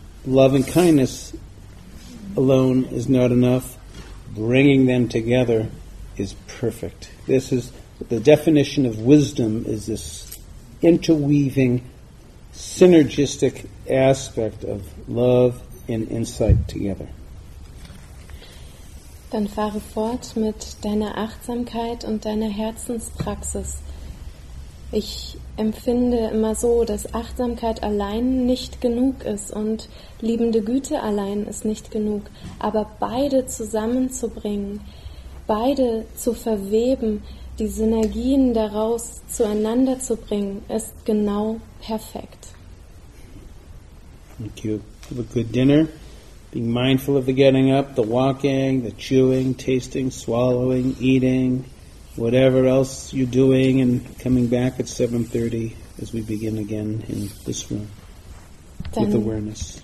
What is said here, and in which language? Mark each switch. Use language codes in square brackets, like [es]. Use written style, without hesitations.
[en] Loving kindness alone is not enough. Bringing them together is perfect. This is the definition of wisdom, is this interweaving, synergistic aspect of love and insight together. [de] Dann fahre fort mit deiner Achtsamkeit und deiner Herzenspraxis. Ich empfinde immer so, dass Achtsamkeit allein nicht genug ist und liebende Güte allein ist nicht genug. Aber beide zusammenzubringen, beide zu verweben, die Synergien daraus zueinander zu bringen, ist genau perfekt. [en] Thank you. Have a good dinner. Being mindful of the getting up, the walking, the chewing, tasting, swallowing, eating, whatever else you're doing, and coming back at 7:30 as we begin again in this room with awareness.